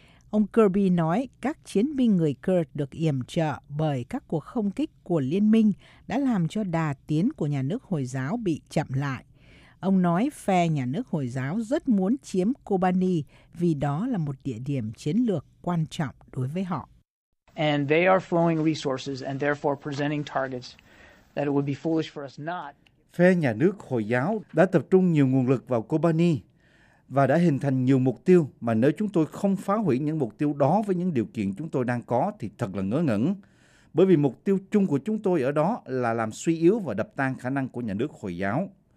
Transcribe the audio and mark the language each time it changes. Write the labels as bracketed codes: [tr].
[vi] Ông Kirby nói các chiến binh người Kurd được yểm trợ bởi các cuộc không kích của liên minh đã làm cho đà tiến của nhà nước Hồi giáo bị chậm lại. Ông nói phe nhà nước Hồi giáo rất muốn chiếm Kobani vì đó là một địa điểm chiến lược quan trọng đối với họ. [en] And they are flowing resources and therefore presenting targets that it would be foolish for us not. [vi] Phe nhà nước Hồi giáo đã tập trung nhiều nguồn lực vào Kobani và đã hình thành nhiều mục tiêu mà nếu chúng tôi không phá hủy những mục tiêu đó với những điều kiện chúng tôi đang có thì thật là ngớ ngẩn. Bởi vì mục tiêu chung của chúng tôi ở đó là làm suy yếu và đập tan khả năng của nhà nước Hồi giáo.